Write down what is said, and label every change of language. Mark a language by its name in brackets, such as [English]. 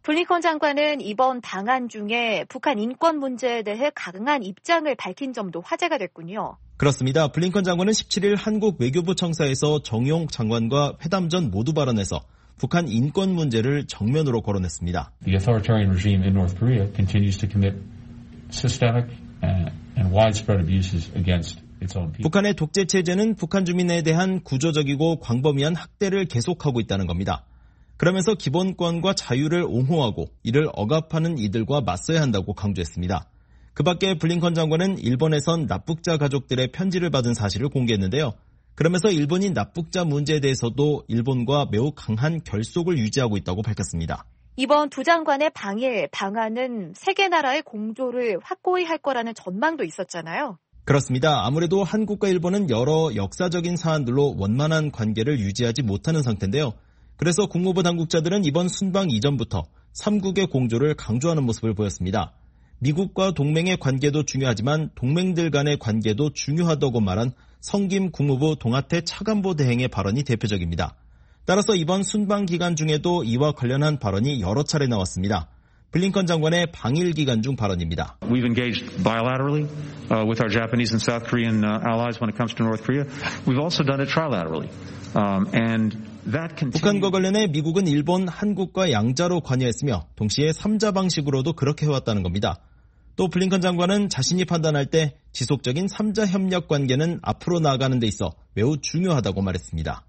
[Korean] 블링컨 장관은 이번 방한 중에 북한 인권 문제에 대해 강한 입장을 밝힌 점도 화제가 됐군요. 그렇습니다. 블링컨 장관은 17일 한국 외교부 청사에서 정용 장관과 회담 전 모두 발언해서 북한 인권 문제를 정면으로 거론했습니다. [English] The authoritarian regime in North Korea continues to commit systemic and widespread abuses against [Korean] 북한의 독재 체제는 북한 주민에 대한 구조적이고 광범위한 학대를 계속하고 있다는 겁니다. 그러면서 기본권과 자유를 옹호하고 이를 억압하는 이들과 맞서야 한다고 강조했습니다. 그 밖에 블링컨 장관은 일본에선 납북자 가족들의 편지를 받은 사실을 공개했는데요. 그러면서 일본이 납북자 문제에 대해서도 일본과 매우 강한 결속을 유지하고 있다고 밝혔습니다. 이번 두 장관의 방일 방안은 세계 나라의 공조를 확고히 할 거라는 전망도 있었잖아요. 그렇습니다. 아무래도 한국과 일본은 여러 역사적인 사안들로 원만한 관계를 유지하지 못하는 상태인데요. 그래서 국무부 당국자들은 이번 순방 이전부터 3국의 공조를 강조하는 모습을 보였습니다. 미국과 동맹의 관계도 중요하지만 동맹들 간의 관계도 중요하다고 말한 성김 국무부 동아태 차관보 대행의 발언이 대표적입니다. 따라서 이번 순방 기간 중에도 이와 관련한 발언이 여러 차례 나왔습니다. 블링컨 장관의 방일 기간 중 발언입니다. [English] We've engaged bilaterally with our Japanese and South Korean allies when it comes to North Korea. We've also done it trilaterally. And that continues. [Korean] 북한과 관련해 미국은 일본, 한국과 양자로 관여했으며 동시에 3자 방식으로도 그렇게 해왔다는 겁니다. 또 블링컨 장관은 자신이 판단할 때 지속적인 3자 협력 관계는 앞으로 나아가는 데 있어 매우 중요하다고 말했습니다.